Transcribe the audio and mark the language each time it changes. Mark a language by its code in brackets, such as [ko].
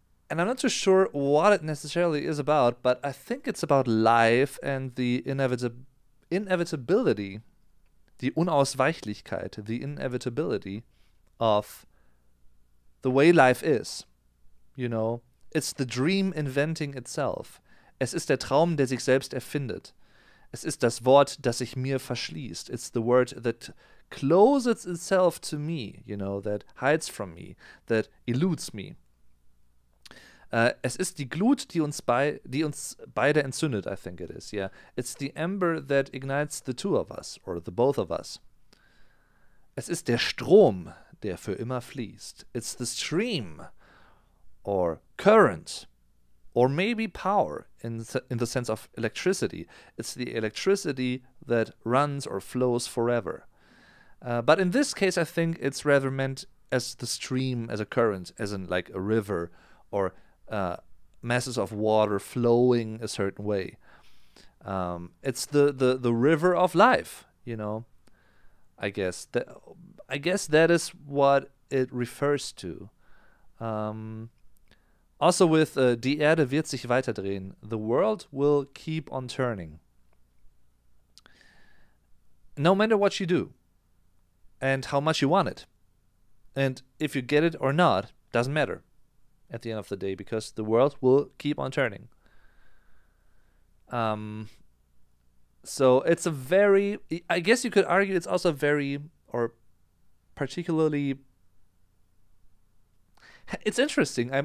[en] And I'm not too sure what it necessarily is about, but I think it's about life and the inevitability, the Unausweichlichkeit, the inevitability of the way life is. You know, it's the dream inventing itself. [de] Es ist der Traum, der sich selbst erfindet. Es ist das Wort, das sich mir verschließt. [en] It's the word that closes itself to me, you know, that hides from me, that eludes me. [de] Es ist die Glut, die uns beide entzündet, [en] I think it is, yeah. It's the ember that ignites the two of us, or the both of us. [de] Es ist der Strom, der für immer fließt. [en] It's the stream, or current, or maybe power, in the sense of electricity. It's the electricity that runs or flows forever. But in this case, I think it's rather meant as the stream, as a current, as in like a river, or masses of water flowing a certain way. It's the river of life, you know. I guess that is what it refers to. Also with [de] Die Erde wird sich weiterdrehen, [en] the world will keep on turning. No matter what you do and how much you want it. And if you get it or not, doesn't matter. At the end of the day, because the world will keep on turning. So it's a very, I guess you could argue it's also very, or particularly, it's interesting.